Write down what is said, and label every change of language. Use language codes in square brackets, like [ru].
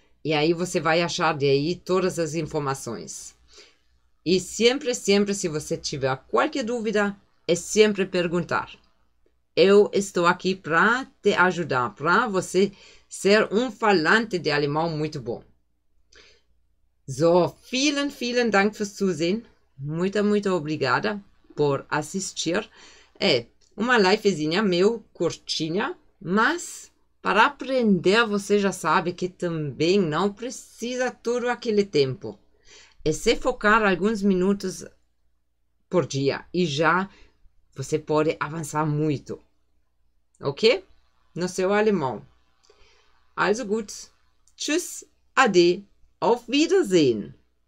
[pt] E aí você vai achar de aí todas as informações. E sempre, sempre, se você tiver qualquer dúvida, é sempre perguntar. Eu estou aqui para te ajudar, para você ser um falante de alemão muito bom. [de] So, vielen, vielen Dank fürs Zusehen. [pt] Muito, muito obrigada por assistir. É uma livezinha meio curtinha, mas para aprender você já sabe que também não precisa todo aquele tempo. É se focar alguns minutos por dia e já você pode avançar muito. Ok? No seu alemão. [de] Also gut, tschüss, ade, auf Wiedersehen.